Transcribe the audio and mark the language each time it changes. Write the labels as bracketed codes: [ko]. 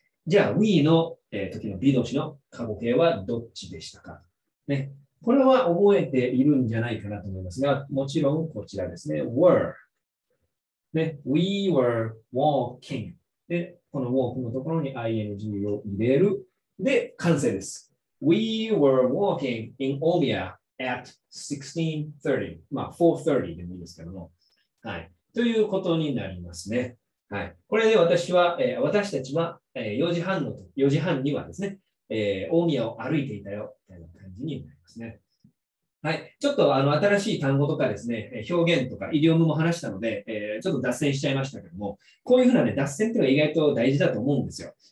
[ja] じゃあ、we の、時の be 動詞の過去形はどっちでしたか。ね。これは覚えているんじゃないかなと思いますが、もちろんこちらですね。 [en] were。 ね。we were walking。 [ja] で、この walk のところに ing を入れる。で、完成です。 [en] we were walking in Omiya at 16:30. [ja] まあ、4:30 でもいいですけども。はい。ということになりますね。はい。これで私は、私たちは、4時半にはですね、大宮を歩いていたよ、みたいな感じになりますね。はい。ちょっと新しい単語とかですね、表現とか、イディオムも話したので、ちょっと脱線しちゃいましたけども、こういうふうなね、脱線っていうのは意外と大事だと思うんですよ。